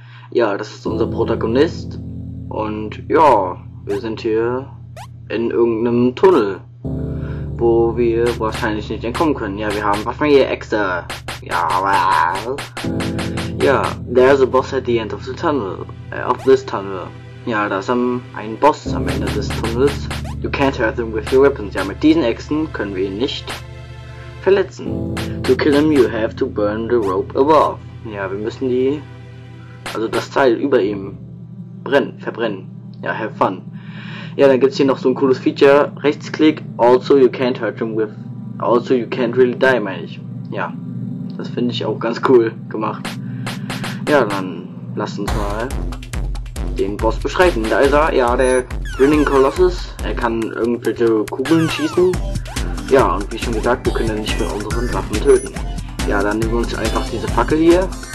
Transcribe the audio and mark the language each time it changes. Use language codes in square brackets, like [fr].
[de] Ja, das ist unser Protagonist und ja, wir sind hier in irgendeinem Tunnel, wo wir wahrscheinlich nicht entkommen können. Ja, wir haben Waffen hier extra. Ja, well. [en] Ja, there's a boss at the end of the tunnel, of this tunnel. [de] Ja, da ist ein Boss am Ende des Tunnels. [en] You can't hurt them with your weapons. [de] Ja, mit diesen Äxten können wir ihn nicht verletzen. [en] To kill him, you have to burn the rope above. [de] Ja, wir müssen die, also das Teil über ihm, verbrennen. Ja, [en] have fun. [de] Ja, dann gibt's hier noch so ein cooles Feature. [en] Rechtsklick, also you can't hurt him with, also you can't really die, [de] meine ich. Ja, das finde ich auch ganz cool gemacht. Ja, dann lasst uns mal den Boss beschreiten. Da ist er, ja, der Grinning Colossus. Er kann irgendwelche Kugeln schießen. Ja, und wie schon gesagt, wir können nicht mit unseren Waffen töten. Ja, dann nehmen wir uns einfach diese Fackel hier.